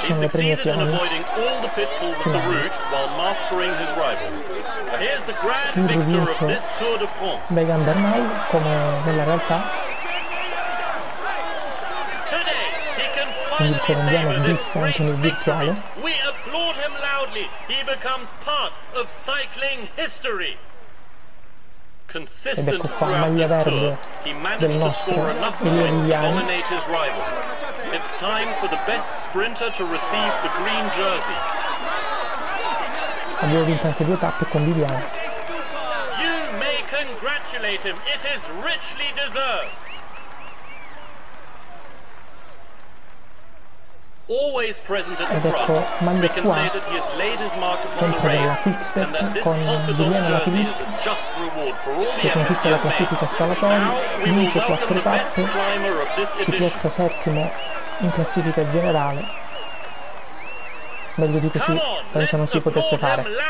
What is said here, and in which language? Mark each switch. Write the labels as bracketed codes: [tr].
[en] he succeeded in avoiding all the pitfalls of the route while mastering his rivals. Now here's the grand victor of this Tour de France. [it] Megan Bernal, come nella realtà. [en] Today he can finally savor this great victory. We applaud him loudly. He becomes part of cycling history. [it] Ed ecco qua, maglia verde del nostro Ilia Viviani. [en] It's time for the best sprinter to receive the green jersey. [it] Abbiamo vinto anche due tappe con Viviani. [en] You may congratulate him. It is richly deserved. Always present at the front. [it] Maglia qua. Sempre della Quickstep con Julien Alaphilippe, che conquista la classifica scalatori, vince 4 tappe, si piazza settimo in classifica generale. Meglio di così penso non si potesse fare.